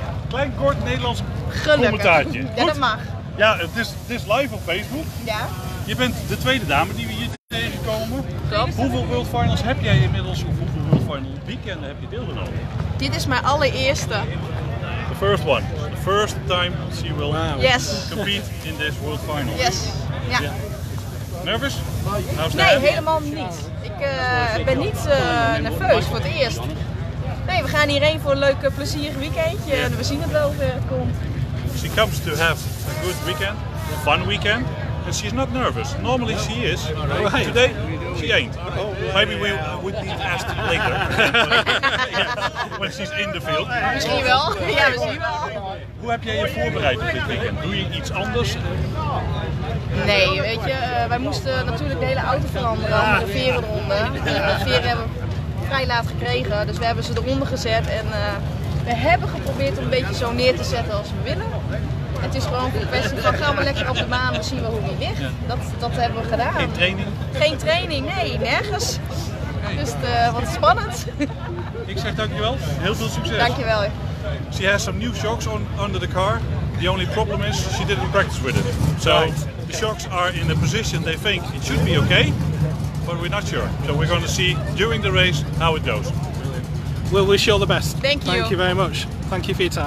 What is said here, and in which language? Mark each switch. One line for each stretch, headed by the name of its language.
Dutch: Klein kort Nederlands commentaartje. Ja, dat mag. Ja, het is live op Facebook. Ja. Je bent de tweede dame die we hier tegenkomen. Klopt. Hoeveel World Finals heb jij inmiddels, of hoeveel World Final weekenden heb je deelgenomen? Dit is mijn allereerste.
English: The first one. First time she will compete in this World Final. Yes. Yeah. Nervous?
Dutch: Nee, helemaal niet. Ik ben niet nerveus voor het eerst. Nee, we gaan hierheen voor een leuk plezierig weekendje. Yeah. En we zien het wel of het komt.
English: She comes to have a good weekend, a fun weekend. And she's not nervous. Normally she is. Right. Today she ain't. Oh, maybe we would need to ask later. Yeah. When she's in the field.
Dutch: Misschien wel. Ja, misschien wel. Hoe heb jij je voorbereid op dit weekend? Doe je iets anders? Nee, weet je, wij moesten natuurlijk de hele auto veranderen om de veren ronden. De veren hebben we vrij laat gekregen, dus we hebben ze eronder gezet en we hebben geprobeerd om een beetje zo neer te zetten als we willen. Het is gewoon een kwestie van, gaan we lekker op de baan, dan zien we hoe die ligt. Dat hebben we gedaan. Geen training? Geen training, nee, nergens. Dus wat spannend. Ik zeg dankjewel, heel veel succes. Dankjewel.
English: She has some new shocks on under the car. The only problem is she didn't practice with it. So the shocks are in a position they think it should be okay, but we're not sure. So we're going to see during the race how it goes. We'll wish you all the best. Thank you. Thank you very much. Thank you for your time.